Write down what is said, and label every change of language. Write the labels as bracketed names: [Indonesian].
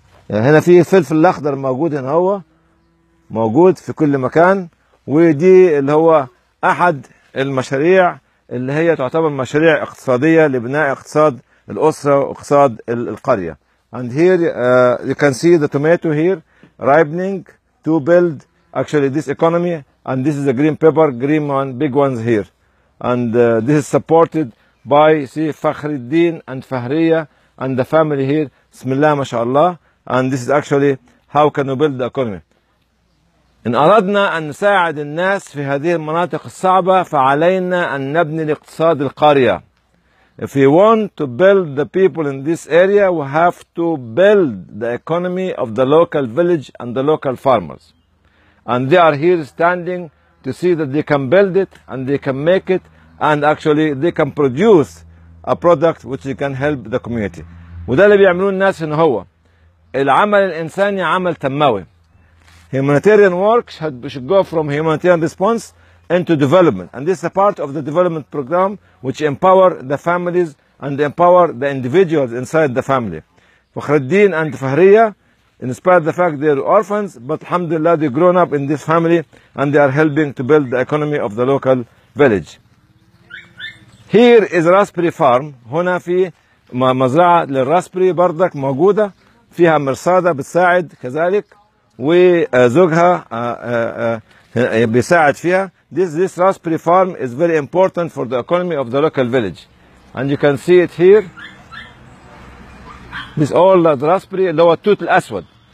[Arabic] هنا في فلفل الأخضر موجود هنا هو. موجود في كل مكان. ودي اللي هو أحد المشاريع اللي هي تعتبر مشاريع اقتصادية لبناء اقتصاد الأسرة واقتصاد القرية. [English] And here you can see the tomato here ripening to build actually this economy. And this is a green pepper, green one, big ones here. And this is supported by see Fakhruddin and Fahriya and the family here. Bismillah, mashallah. And this is actually how can we build the economy. [Arabic] إن أردنا أن نساعد الناس في هذه المناطق الصعبة فعلينا أن نبني الاقتصاد القرية. [English] If we want to build the people in this area, we have to build the economy of the local village and the local farmers. And they are here standing to see that they can build it and they can make it and actually they can produce a product which can help the community. [Arabic] وده اللي بيعملون الناس إن هو العمل الإنساني عمل تموي. [English] Humanitarian work should go from humanitarian response into development. And this is a part of the development program which empower the families and empower the individuals inside the family. Fakhruddin and Fahriya, in spite of the fact they are orphans, but alhamdulillah they've grown up in this family and they are helping to build the economy of the local village. Here is a raspberry farm. [Arabic] هنا في مزرعة للراسبري برضك موجودة. فيها مرصادة بتساعد كذلك. وزوجها بيساعد فيها. [English] This raspberry farm is very important for the economy of the local village. And you can see it here. This all the raspberry [Arabic] اللي هو التوت الأسود.